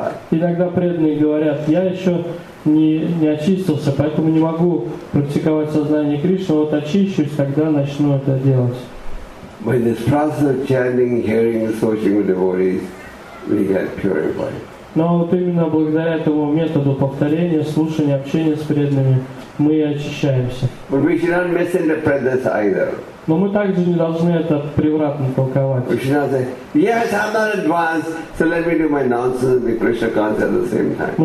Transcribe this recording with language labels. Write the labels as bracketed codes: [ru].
[ru] Иногда преданные говорят, я еще не очистился, поэтому не могу практиковать сознание Кришны, вот очищусь, тогда начну это делать. [en] By this process of chanting, hearing, associating with devotees, we get purified. [ru] Но вот именно благодаря этому методу повторения, слушания, общения с преданными, мы и очищаемся. [en] But we should not misinterpret this either. [ru] Но мы также не должны это превратно толковать. [en] We should not say, yes, I'm not advanced, so let me do my nonsense and be Krishna conscious at the same time.